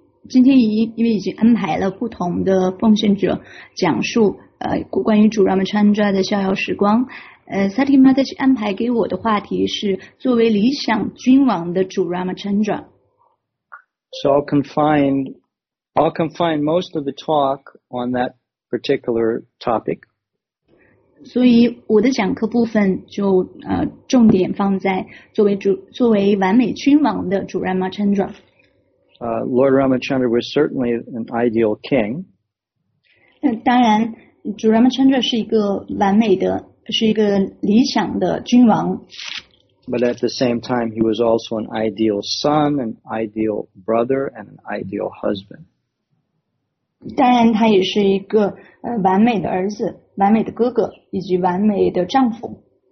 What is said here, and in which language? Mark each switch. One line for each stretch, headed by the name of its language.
Chinese: 因为已经安排了不同的奉献者讲述关于主 Ramachandra 的逍遥时光。 Sati Mataji 安排给我的话题是作为理想君王的主 Ramachandra。
English: So I'll confine most of the talk on that particular topic.
Chinese: 所以我的讲课部分就重点放在作为完美君王的主 Ramachandra。
English: Lord Ramachandra was certainly an ideal king.
Chinese: 当然，主 Ramachandra 是一个完美的，是一个理想的君王。
English: But at the same time, he was also an ideal son, an ideal brother, and an ideal husband.
Chinese: 当然，他也是一个完美的儿子，完美的哥哥，以及完美的丈夫。